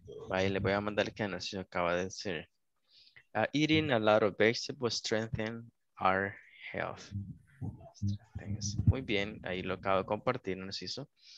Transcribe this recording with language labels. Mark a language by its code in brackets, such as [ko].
[es] Ahí le voy a mandar que nos acaba de decir. [en] Eating a lot of vegetables strengthen our health. [es] Muy bien, ahí lo acabo de compartir, Narciso.